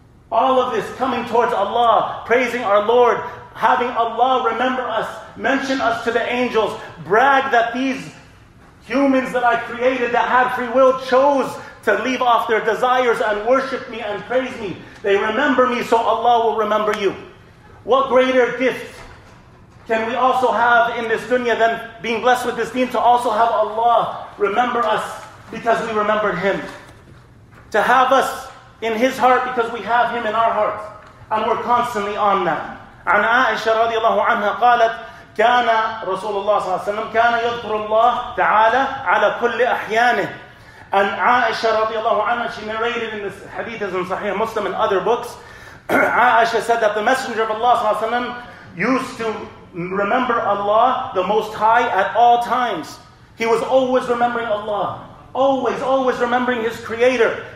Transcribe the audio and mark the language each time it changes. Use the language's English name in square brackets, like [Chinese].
[English] All of this coming towards Allah, praising our Lord, having Allah remember us, mention us to the angels, brag that these humans that I created that had free will chose to leave off their desires and worship me and praise me. They remember me, so Allah will remember you. What greater gift Can we also have in this dunya then being blessed with this deen to also have Allah remember us because we remembered Him? To have us in His heart because we have Him in our hearts. And we're constantly on that. [Arabic] عن عائشة رضي الله عنها قالت كان رسول الله صلى الله عليه وسلم كان يذكر الله تعالى على كل أحيانه. [English] And عائشة [Arabic] رضي الله عنها, [English] she narrated in the hadiths in Sahih Muslim and other books, عائشة said that the Messenger of Allah [Arabic] صلى الله عليه وسلم [English] used to remember Allah, the Most High, at all times. He was always remembering Allah. Always, always remembering His Creator.